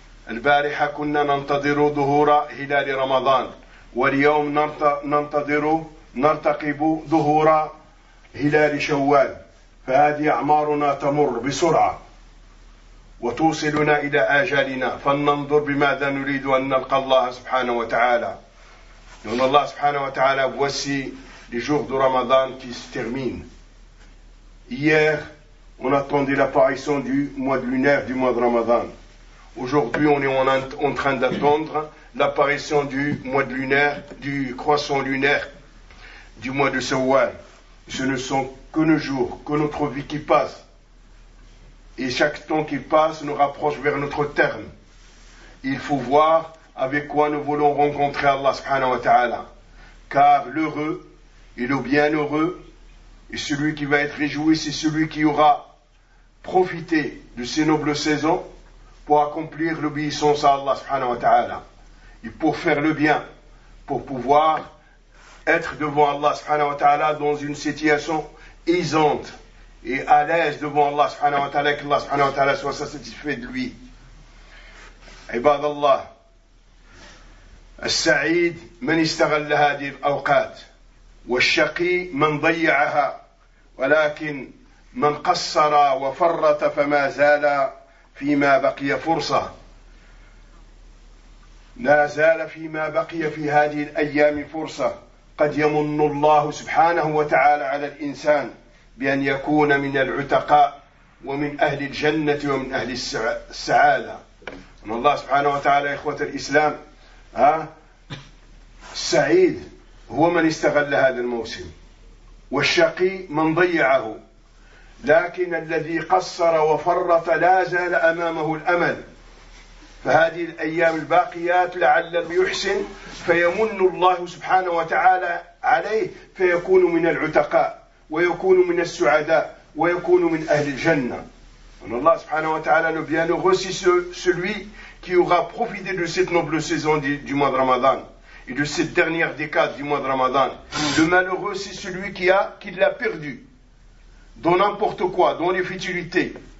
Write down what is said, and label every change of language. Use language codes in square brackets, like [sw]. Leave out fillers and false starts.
[ar] البارحة كنا ننتظر ظهور هلال رمضان، واليوم نرتقب ظهور هلال شوال، فهذه أعمارنا تمر بسرعة وتوصلنا إلى آجالنا، فلننظر بماذا نريد أن نلقى الله سبحانه وتعالى. لأن الله سبحانه وتعالى [fr] voici les jours de رمضان qui se termine. Hier on attendait l'apparition du mois de lunaire du mois de Ramadan. Aujourd'hui, on est en train d'attendre l'apparition du mois de lunaire, du croissant lunaire du mois de Sawwal. Ce ne sont que nos jours, que notre vie qui passe. Et chaque temps qui passe nous rapproche vers notre terme. Il faut voir avec quoi nous voulons rencontrer Allah subhanahu wa ta'ala. Car l'heureux et le bienheureux, et celui qui va être réjoui, c'est celui qui aura profité de ces nobles saisons pour accomplir l'obéissance à Allah subhanahu wa ta'ala. Et pour faire le bien, pour pouvoir être devant Allah subhanahu wa ta'ala dans une situation aisante et à l'aise devant Allah subhanahu wa ta'ala, que Allah subhanahu wa ta'ala soit satisfait de lui. [ar] عباد الله، السعيد من استغل هذه الأوقات، والشقي من ضيعها، ولكن من قصر وفرط فما زال فيما بقي فرصة، لا زال فيما بقي في هذه الأيام فرصة. قد يمن الله سبحانه وتعالى على الإنسان بأن يكون من العتقاء ومن أهل الجنة ومن أهل السعادة. أن الله سبحانه وتعالى إخوة الإسلام السعيد هو من استغل هذا الموسم، والشقي من ضيعه، لكن الذي قصر وفرط لا زال أمامه الأمل. فهذه الأيام الباقيات لعله يحسن فيمن الله سبحانه وتعالى عليه فيكون من العتقاء ويكون من السعداء ويكون من أهل الجنة. أن الله سبحانه وتعالى بيان غسي [fr] celui qui aura profité de cette noble saison du mois de Ramadan et de cette dernière décade du mois de Ramadan. Le malheureux, c'est celui qui l'a perdu dans n'importe quoi, dans les futilités.